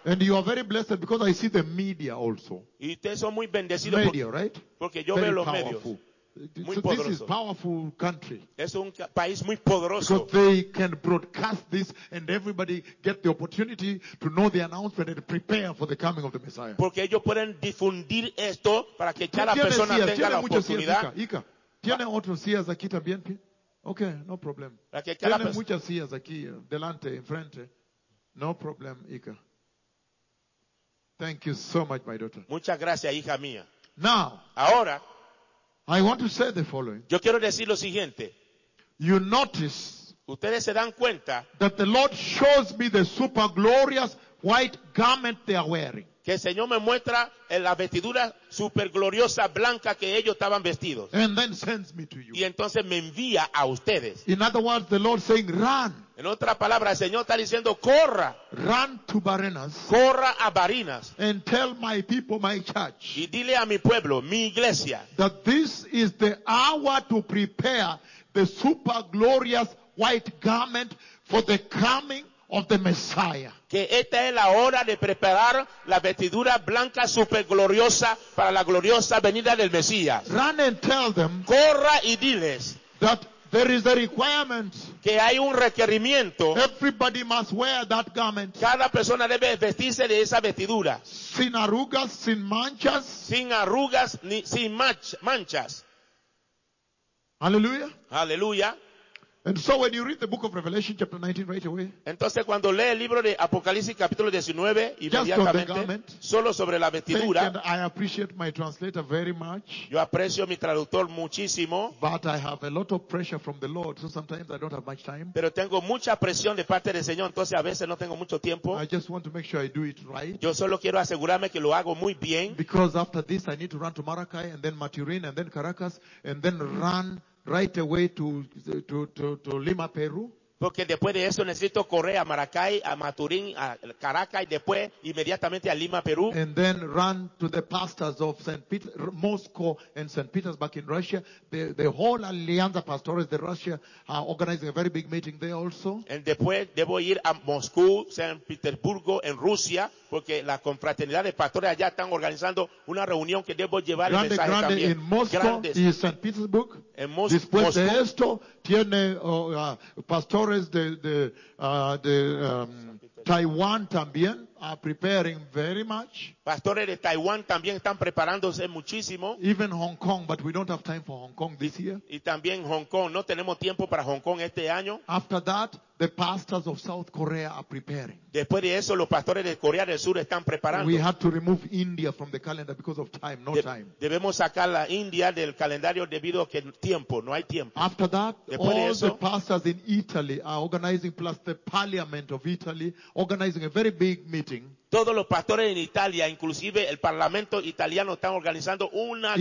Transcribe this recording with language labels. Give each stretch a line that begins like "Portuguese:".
English: And you are very blessed because I see the media also.
Spanish: Y ustedes son muy bendecidos.
English: Media, right?
Spanish: Porque yo
English: very
Spanish: veo los medios.
English: Muy so poderoso. This is powerful country.
Spanish: Es un país muy poderoso.
English: Because they can broadcast this and everybody get the opportunity to know the announcement and prepare for the coming of the Messiah.
Spanish: Porque ellos pueden difundir esto para que cada persona tenga tiene la oportunidad. Ica. Tiene otros días aquí también. Okay, no problem. Tiene muchas sillas aquí delante, enfrente.
English: No problem,
Spanish: Ica.
English: Thank you so much, my daughter.
Spanish: Muchas gracias, hija mía.
English: Now,
Spanish: ahora,
English: I want to say the following.
Spanish: Yo quiero decir lo siguiente.
English: You notice,
Spanish: ustedes se dan cuenta,
English: that the Lord shows me the super glorious white garment they are wearing.
Spanish: Que el Señor me muestra en la vestidura super gloriosa blanca que ellos estaban vestidos.
English: And then sends me to you.
Spanish: Y entonces me envía a ustedes.
English: In other words, the Lord saying, run.
Spanish: En otra palabra, el Señor está diciendo, corra.
English: Run to Barinas.
Spanish: Corra a Barinas.
English: And tell my people, my church.
Spanish: Y dile a mi pueblo, mi iglesia.
English: That this is the hour to prepare the super glorious white garment for the coming of the Messiah.
Spanish: Que esta es la hora de preparar la vestidura blanca super gloriosa para la gloriosa venida del Mesías.
English: Run and tell them.
Spanish: Corra y diles.
English: That there is a requirement.
Spanish: Que hay un requerimiento.
English: Everybody must wear that garment.
Spanish: Cada persona debe vestirse de esa vestidura. Sin arrugas, sin manchas. Sin arrugas ni sin manchas. Aleluya. Aleluya.
English: And so when you read the book of Revelation chapter 19 right away.
Spanish: Entonces cuando lee el libro de Apocalipsis capítulo 19 inmediatamente
English: garment,
Spanish: solo sobre la vestidura.
English: I appreciate my translator very much.
Spanish: Yo aprecio mi traductor muchísimo.
English: But I have a lot of pressure from the Lord, so sometimes I don't have much time.
Spanish: Pero tengo mucha presión de parte del Señor, entonces a veces no tengo mucho tiempo.
English: I just want to make sure I do it right.
Spanish: Yo solo quiero asegurarme que lo hago muy bien.
English: Because after this I need to run to Maracay and then Maturin and then Caracas and then run right away to Lima, Peru.
Spanish: Porque después de eso necesito correr a Maracay, a Maturín, a Caracas y después inmediatamente a Lima, Perú.
English: And then run to the pastors of St. Peter, Moscow and St. Petersburg in Russia. The whole Alianza Pastores de Russia are organizing a very big meeting there also.
Spanish: And después debo ir a Moscú, San Petersburgo en Rusia porque la confraternidad de pastores allá están organizando una reunión que debo llevar grande, el mensaje grande también.
English: In Moscow
Spanish: grandes. Y St. Petersburg. En Moscú. Después Moscú. De esto tiene pastores Taiwán también
English: are preparing very much.
Spanish: Pastores de Taiwán también están preparándose muchísimo.
English: Even Hong Kong, but we don't have time for Hong Kong this year.
Spanish: Y también Hong Kong, no tenemos tiempo para Hong Kong este año.
English: After that, the pastors of South Korea are preparing.
Spanish: Después de eso, los pastores de Corea del Sur están preparando.
English: We had to remove India from the calendar because of time, no time.
Spanish: Debemos sacar la India del calendario debido a que tiempo, no hay tiempo.
English: After that, después all the pastors in Italy are organizing, plus the Parliament of Italy, organizing a very big meeting.
Spanish: Todos los pastores en Italia, inclusive el Parlamento italiano, están organizando una